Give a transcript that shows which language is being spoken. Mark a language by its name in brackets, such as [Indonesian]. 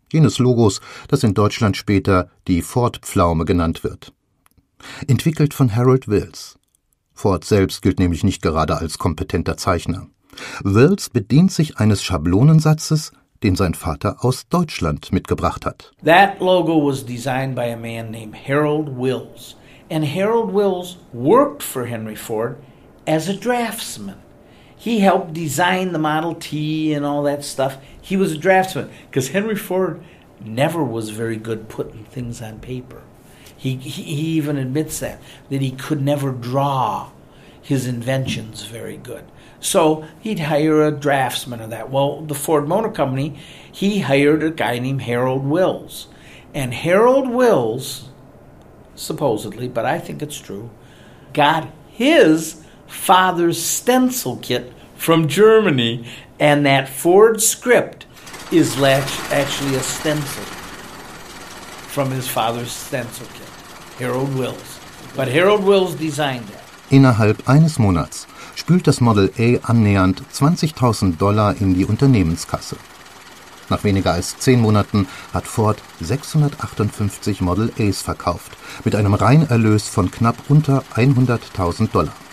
[German] Jenes Logos, das in Deutschland später die Ford-Pflaume genannt wird. Entwickelt von Harold Wills. Ford selbst gilt nämlich nicht gerade als kompetenter Zeichner. Wills bedient sich eines Schablonensatzes, den sein Vater aus Deutschland mitgebracht hat. [English] That logo was designed by a man named Harold Wills. And Harold Wills worked for Henry Ford as a draftsman. He helped design the Model T and all that stuff. He was a draftsman, because Henry Ford never was very good putting things on paper. He even admits that he could never draw his inventions very good. So he'd hire a draftsman of that. Well, the Ford Motor Company, he hired a guy named Harold Wills. And Harold Wills, supposedly, but I think it's true, got his father's stencil kit from Germany, and that Ford script is actually a stencil from his father's stencil kit, Harold Wills. But Harold Wills designed it. [German] Innerhalb eines Monats spült das Model A annähernd $20,000 in die Unternehmenskasse. Nach weniger als 10 Monaten hat Ford 658 Model As verkauft, mit einem Reinerlös von knapp unter $100,000.